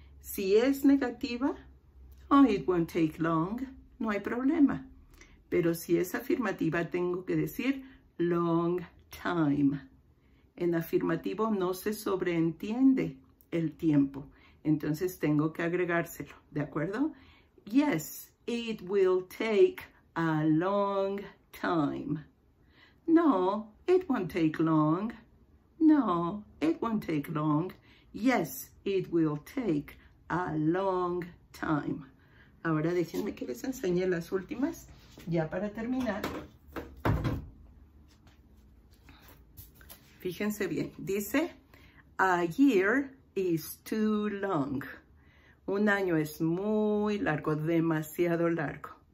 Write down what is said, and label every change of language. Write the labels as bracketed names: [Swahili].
[Spanish] Si es negativa, [English] oh, it won't take long, [Spanish] no hay problema. Pero si es afirmativa, tengo que decir [English] long time. [Spanish] En afirmativo no se sobreentiende el tiempo, entonces tengo que agregárselo, ¿de acuerdo? [English] Yes, it will take a long time. No, it won't take long. No, it won't take long. Yes, it will take a long time. [Spanish] Ahora déjenme que les enseñe las últimas, ya para terminar. Fíjense bien, dice, [English] a year is too long. [Spanish] Un año es muy largo, demasiado largo.